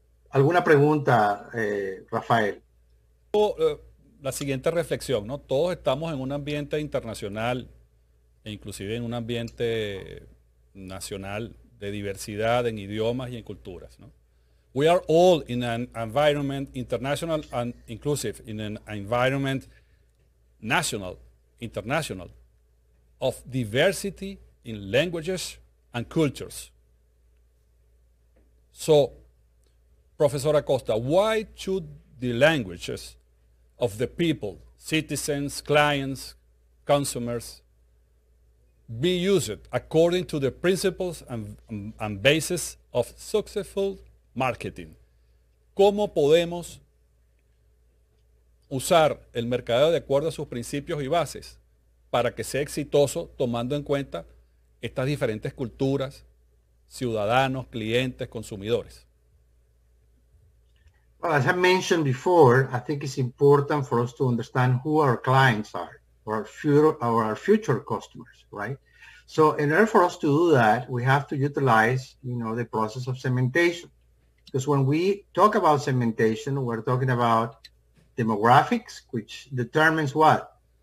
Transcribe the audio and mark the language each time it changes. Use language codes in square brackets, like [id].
[es] ¿Alguna pregunta, Rafael? La siguiente reflexión, ¿no? Todos estamos en un ambiente internacional e inclusive en un ambiente nacional de diversidad en idiomas y en culturas, ¿no? [en] We are all in an environment international and inclusive, in an environment national, international, of diversity in languages and cultures. So, Professor Acosta, why should the languages of the people, citizens, clients, consumers, be used according to the principles and basis of successful marketing? [es] ¿Cómo podemos usar el mercadeo de acuerdo a sus principios y bases para que sea exitoso tomando en cuenta estas diferentes culturas, ciudadanos, clientes, consumidores? [en] Well, as I mentioned before, I think it's important for us to understand who our clients are, our future customers, right? So in order for us to do that, we have to utilize, you know, the process of segmentation. Because when we talk about segmentation, we're talking about demographics, which determines what?